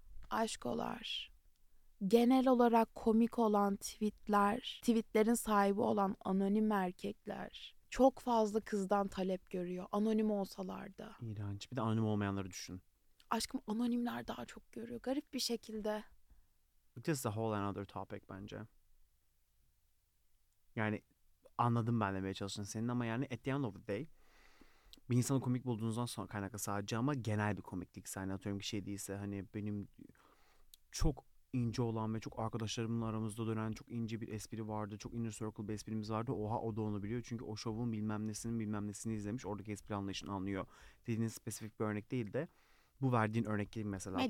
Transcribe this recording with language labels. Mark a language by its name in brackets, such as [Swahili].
[Turkish] Aşkolar, genel olarak komik olan tweetler, tweetlerin sahibi olan anonim erkekler çok fazla kızdan talep görüyor. Anonim olsalar da. İğrenç. Bir de anonim olmayanları düşün. Aşkım anonimler daha çok görüyor. Garip bir şekilde. [English] This is a whole another topic bence. [Turkish] Yani... Anladım ben demeye çalıştığını senin ama yani [English] at the end of the day [Turkish] bir insanı komik bulduğunuzdan sonra kaynaklı sadece, ama genel bir komiklik sahne atıyorum ki şey değilse, hani benim çok ince olan ve çok arkadaşlarımla aramızda dönen çok ince bir espri vardı, çok inner circle bir esprimiz vardı, oha o da onu biliyor çünkü o şovun bilmem nesinin bilmem nesini izlemiş, oradaki espri anlayışını anlıyor dediğiniz spesifik bir örnek değil de bu verdiğin örnek gibi mesela.